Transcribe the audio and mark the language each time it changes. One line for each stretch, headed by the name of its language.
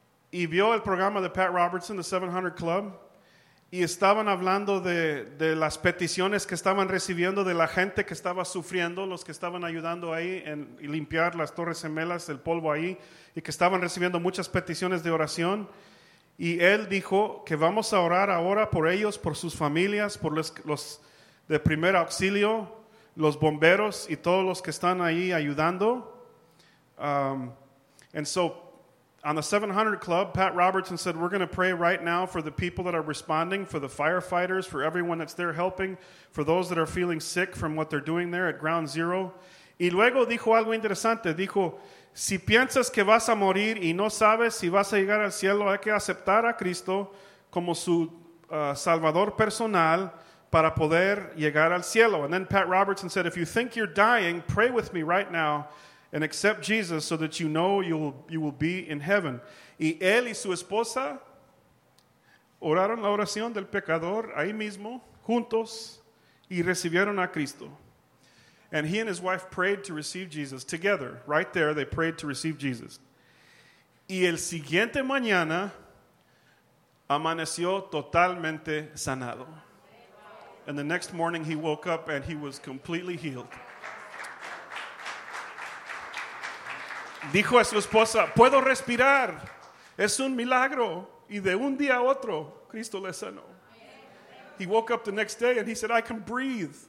Spanish: Y vio el programa de Pat Robertson, The 700 Club. Y estaban hablando de las peticiones que estaban recibiendo de la gente que estaba sufriendo, los que estaban ayudando ahí en limpiar las Torres Gemelas, el polvo ahí, y que estaban recibiendo muchas peticiones de oración. Y él dijo que vamos a orar ahora por ellos, por sus familias, por los de primer auxilio, los bomberos y todos los que están ahí ayudando.
English: And so on the 700 Club, Pat Robertson said, we're going to pray right now for the people that are responding, for the firefighters, for everyone that's there helping, for those that are feeling sick from what they're doing there at Ground Zero.
Spanish: Y luego dijo algo interesante, dijo, si piensas que vas a morir y no sabes si vas a llegar al cielo, hay que aceptar a Cristo como su salvador personal para poder llegar al cielo.
English: And then Pat Robertson said, if you think you're dying, pray with me right now and accept Jesus so that you know you will be in heaven.
Spanish: Y él y su esposa oraron la oración del pecador ahí mismo, juntos, y recibieron a Cristo.
English: And he and his wife prayed to receive Jesus together. Right there, they prayed to receive Jesus.
Spanish: Y el siguiente mañana amaneció totalmente sanado.
English: And the next morning he woke up and he was completely healed.
Spanish: Dijo a su esposa, puedo respirar. Es un milagro. Y de un día a otro, Cristo le sanó.
English: He woke up the next day and he said, I can breathe.